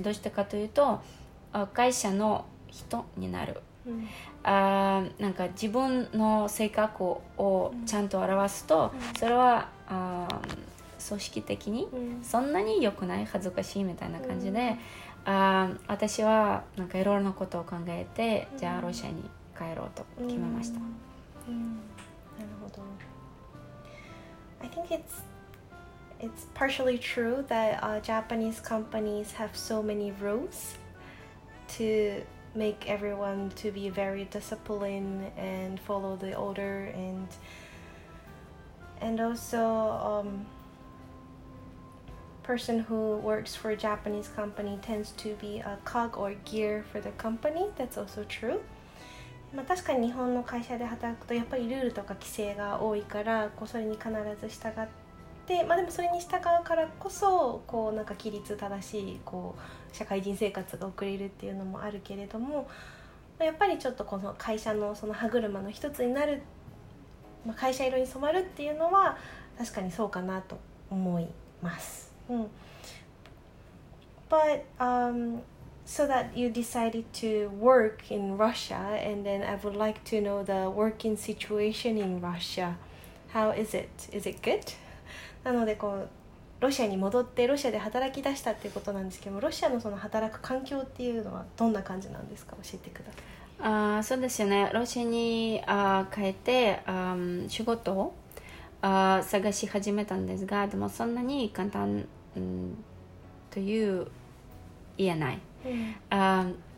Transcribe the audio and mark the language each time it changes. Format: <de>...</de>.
<ja>どうしてかというと、会社の人になる、なんか自分の性格をちゃんと表すと、それは組織的にそんなに良くない、恥ずかしいみたいな感じで、私はなんかいろいろなことを考えて、じゃあロシアに帰ろうと決めました。なるほど。</ja> <en>I think it's partially true that Japanese companies have so many rules to make everyone to be very disciplined and follow the order, and also person who works for a Japanese company tends to be a cog or gear for the company. That's also true.</en> <ja>まあ確かに日本の会社で働くとやっぱりルールとか規制が多いから、こうそれに必ず従って、まあでもそれに従うからこそ、こうなんか規律正しいこう社会人生活が送れるっていうのもあるけれども、やっぱりちょっとこの会社のその歯車の一つになる、まあ、会社色に染まるっていうのは確かにそうかなと思います。</ja> <en>But so that you decided to work in Russia, and then I would like to know the working situation in Russia. How is it? Is it good?</en> <ja>なのでこうロシアに戻ってロシアで働き出したっていうことなんですけども、ロシアのその働く環境っていうのはどんな感じなんですか、教えてください。そうですよね。ロシアに帰って仕事を探し始めたんですが、でもそんなに簡単という言えない。</ja>